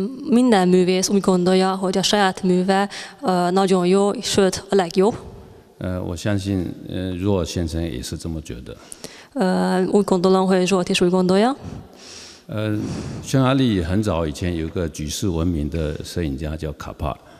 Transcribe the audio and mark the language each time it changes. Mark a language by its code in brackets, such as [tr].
[hu] Minden művész úgy gondolja, hogy a saját műve nagyon jó, sőt a legjobb. [zh] 我相信若先生也是这么觉得。 [hu] Úgy gondolom, hogy Zsolt is úgy gondolja. [zh] 匈牙利很早以前有个举世闻名的摄影家叫卡帕。